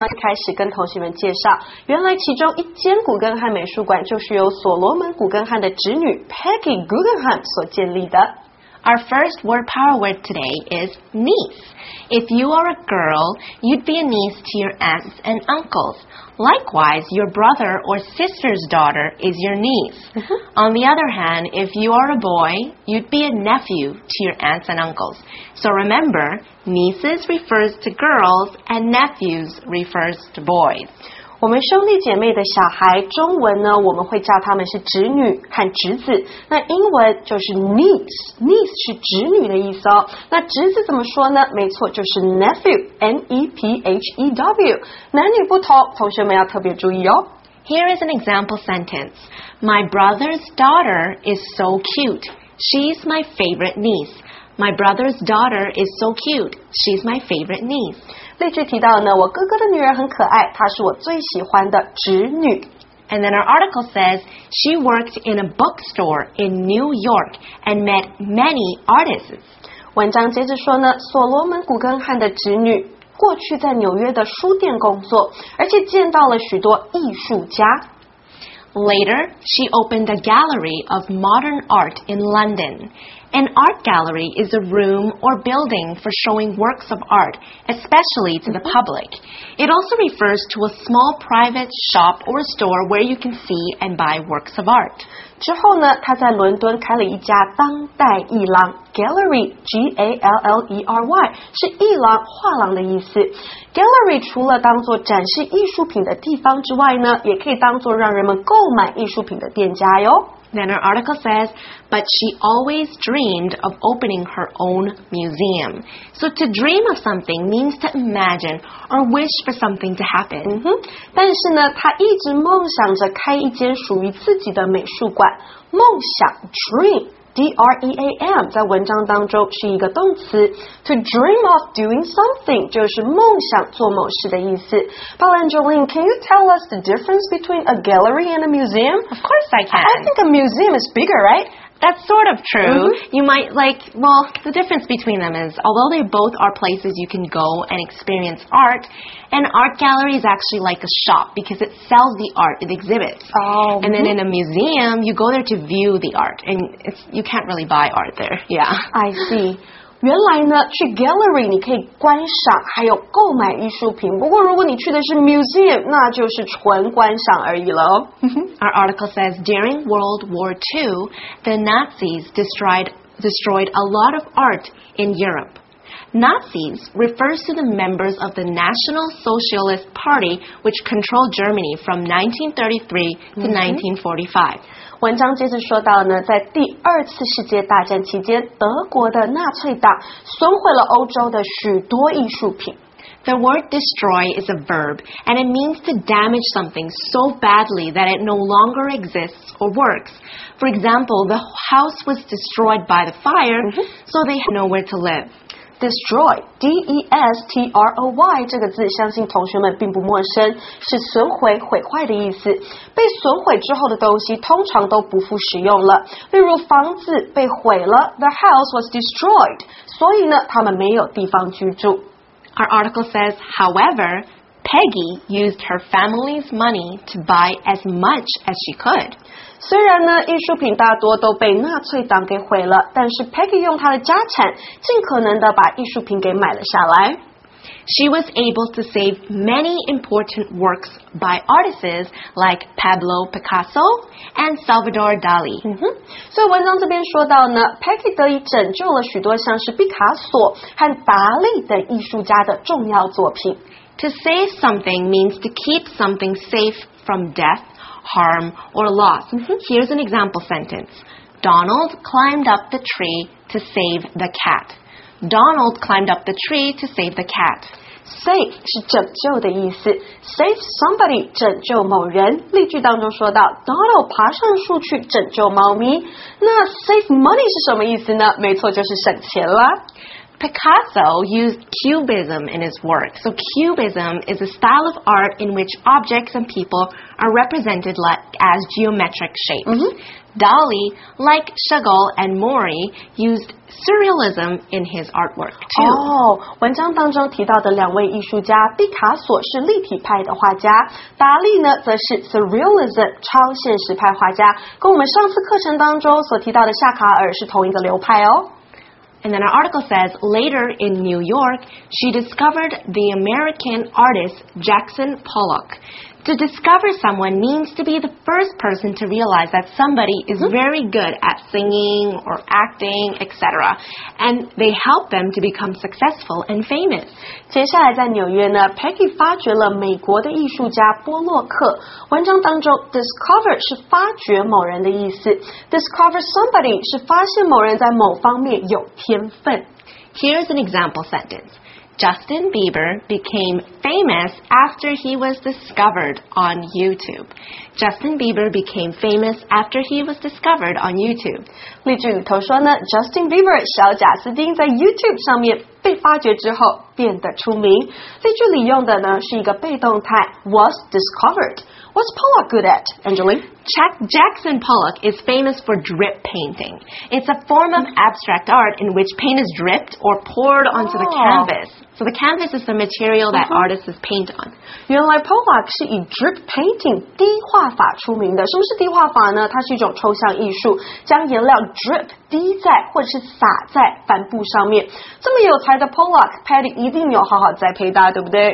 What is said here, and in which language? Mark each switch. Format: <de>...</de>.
<zh>一开始跟同学们介绍，原来其中一间古根汉美术馆就是由所罗门古根汉的侄女 Peggy Guggenheim 所建立的。</zh> <en>Our first word power word today is niece. If you are a girl, you'd be a niece to your aunts and uncles. Likewise, your brother or sister's daughter is your niece. On the other hand, if you are a boy, you'd be a nephew to your aunts and uncles. So remember, nieces refers to girls and nephews refers to boys.</en> <zh>我们兄弟姐妹的小孩，中文呢，我们会叫他们是侄女和侄子。那英文就是 niece 是侄女的意思哦。那侄子怎么说呢？没错，就是 nephew，N-E-P-H-E-W。男女不同，同学们要特别注意哦。</zh> <en>Here is an example sentence. My brother's daughter is so cute. She's my favorite niece. My brother's daughter is so cute. She's my favorite niece.</en> <zh>例句提到呢，我哥哥的女儿很可爱，她是我最喜欢的侄女。</zh> <en>And then our article says, she worked in a bookstore in New York and met many artists.</en> <zh>文章接着说呢，所罗门古根汉的侄女过去在纽约的书店工作，而且见到了许多艺术家。</zh> <en>Later, she opened a gallery of modern art in London. An art gallery is a room or building for showing works of art, especially to the public. It also refers to a small private shop or store where you can see and buy works of art.</en> <zh>之后呢，她在伦敦开了一家当代艺廊 ,Gallery, G-A-L-L-E-R-Y, 是艺廊、画廊的意思。 Gallery 除了当作展示艺术品的地方之外呢，也可以当作让人们购买艺术品的店家哟。</zh> <en>Then her article says, but she always dreamed of opening her own museum. So to dream of something means to imagine or wish for something to happen.</en> <zh>但是呢，她一直梦想着开一间属于自己的美术馆。梦想 ,dream, D-R-E-A-M, 在文章当中是一个动词。</zh> <en>To dream of doing something</en> <zh>就是梦想做某事的意思。</zh> <en>But Angeline, can you tell us the difference between a gallery and a museum? Of course I can. I think a museum is bigger, right? That's sort of true. Mm-hmm. You might like, well, the difference between them is, although they both are places you can go and experience art, an art gallery is actually like a shop because it sells the art it exhibits. Oh. And then in a museum, you go there to view the art, and you can't really buy art there. Yeah. I see.</en> <zh>原来呢，去 gallery 你可以观赏，还有购买艺术品。不过如果你去的是 museum， 那就是纯观赏而已了。</zh> <en>Our article says during World War II, the Nazis destroyed a lot of art in Europe. Nazis refers to the members of the National Socialist Party, which controlled Germany from 1933 to 1945.</en> <zh>文章接着说到呢，在第二次世界大战期间，德国的纳粹党损毁了欧洲的许多艺术品。</zh> <en>The word destroy is a verb, and it means to damage something so badly that it no longer exists or works. For example, the house was destroyed by the fire, so they had nowhere to live.</en> <zh>Destroy, D-E-S-T-R-O-Y, 这个字相信同学们并不陌生，是损毁、毁坏的意思。被损毁之后的东西通常都不复使用了。例如房子被毁了 ,</zh> <en>the house was destroyed,</en> <zh>所以呢，他们没有地方居住。</zh> <en>Our article says, however, Peggy used her family's money to buy as much as she could.</en> <zh>虽然呢，艺术品大多都被纳粹党给毁了，但是 Peggy 用她的家产尽可能的把艺术品给买了下来。</zh> <en>She was able to save many important works by artists like Pablo Picasso and Salvador Dali.</en> <zh>所以文章这边说到呢 ,Peggy 得以拯救了许多像是毕卡索和达利等艺术家的重要作品。</zh> <en>To save something means to keep something safe from death. Harm or loss. Here's an example sentence. Donald climbed up the tree to save the cat. Donald climbed up the tree to save the cat.</en> <zh>Save 是拯救的意思。 Save somebody 拯救某人。例句当中说到 Donald 爬上树去拯救猫咪。那 save money 是什么意思呢？没错，就是省钱啦。</zh> <en>Picasso used cubism in his work. So cubism is a style of art in which objects and people are represented as geometric shapes. Mm-hmm. Dali, like Chagall and Mori, used surrealism in his artwork, too.</en> <zh>Oh, 文章当中提到的两位艺术家，毕卡索是立体派的画家，达利呢则是 surrealism 超现实派画家，跟我们上次课程当中所提到的夏卡尔是同一个流派哦。</zh> <en>And then our article says, later in New York, she discovered the American artist Jackson Pollock. To discover someone means to be the first person to realize that somebody is very good at singing or acting, etc. And they help them to become successful and famous.</en> <zh>接下来在纽约呢 ,Peggy 发掘了美国的艺术家波洛克。文章当中 ,discover 是发掘某人的意思。 Discover somebody 是发现某人在某方面有天分。</zh> <en>Here's an example sentence. Justin Bieber became famous after he was discovered on YouTube. Justin Bieber became famous after he was discovered on YouTube.</en> <zh>例句里头说呢 ,Justin Bieber, 小贾斯汀在 YouTube 上面被发掘之后变得出名。例句里用的呢是一个被动态 ,was discovered.</zh> <en>What's Pollock good at, Angeline? Jackson Pollock is famous for drip painting. It's a form of abstract art in which paint is dripped or poured onto the canvas. So the canvas is the material that artists paint on.</en> <zh>原来 Pollock 是以 drip painting 滴画法出名的。什么是滴画法呢？它是一种抽象艺术，将颜料 drip 滴在或者是洒在帆布上面。这么有才的 Pollock, Patty 一定有好好栽培他，对不对？</zh>